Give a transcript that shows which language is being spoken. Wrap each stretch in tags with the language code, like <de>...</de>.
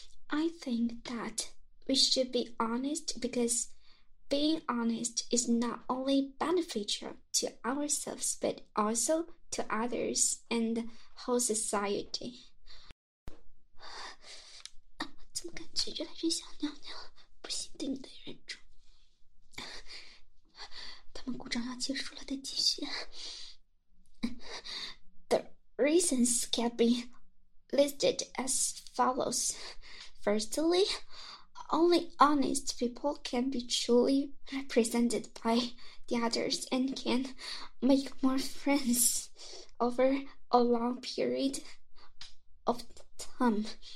<en>I think that we should be honest because being honest is not only beneficial to ourselves but also to others and the whole society.</en> <zh>怎么感觉越来越想尿尿？不行，得你的忍住。他们鼓掌要结束了，得继续。</zh> <en>The reasons can be listed as follows. Firstly, only honest people can be truly represented by the others and can make more friends over a long period of time.</en>